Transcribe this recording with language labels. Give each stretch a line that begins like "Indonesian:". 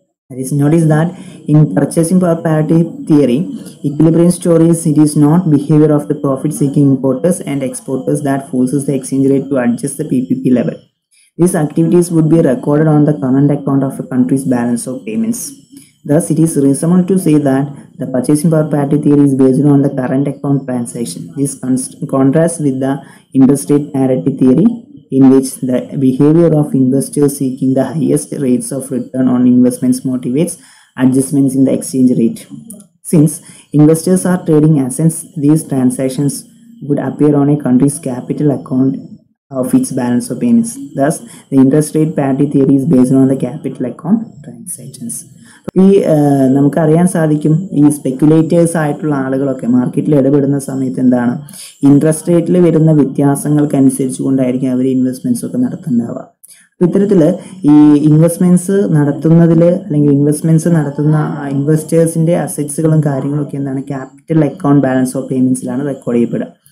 English: That is not is that in purchasing power parity theory equilibrium stories it is not behaviour of the profit seeking importers and exporters that forces the exchange rate to adjust the PPP level. These activities would be record on the current account of a countries balance of payments. Thus it is reason to say that the purchasing power parity theory is based on the current account transaction. This contrasts with the interest rate parity theory in which the behavior of investors seeking the highest rates of return on investments motivates adjustments in the exchange rate. Since investors are trading assets, these transactions would appear on a country's capital account of its balance of payments. Thus, the interest rate parity theory is based on the capital account transactions.
Malayalam: ഈ നമുക്കറിയാൻ സാധിക്കും ഈ speculators ആയിട്ടുള്ള ആളുകളൊക്കെ മാർക്കറ്റിൽ ഇടപെടുന്ന സമയത്ത് എന്താണ് ഇൻട്രസ്റ്റ് റേറ്റിൽ വരുന്ന വ്യത്യാസങ്ങൾക്കനുസരിച്ച് കൊണ്ടായിരിക്കും അവർ ഇൻവെസ്റ്റ്മെൻറ്റ്സ് ഒക്കെ നടത്തുന്നുണ്ടാവുക. അപ്പോൾ ഇത്തരത്തിൽ ഈ ഇൻവെസ്റ്റ്മെൻറ്റ്സ് നടത്തുന്നതിൽ അല്ലെങ്കിൽ ഇൻവെസ്റ്റ്മെൻറ്റ്സ് നടത്തുന്ന ഇൻവെസ്റ്റേഴ്സിൻ്റെ അസറ്റ്സുകളും കാര്യങ്ങളൊക്കെ എന്താണ് capital account balance of പേയ്മെൻറ്റ്സിലാണ് record ചെയ്യപ്പെടുക.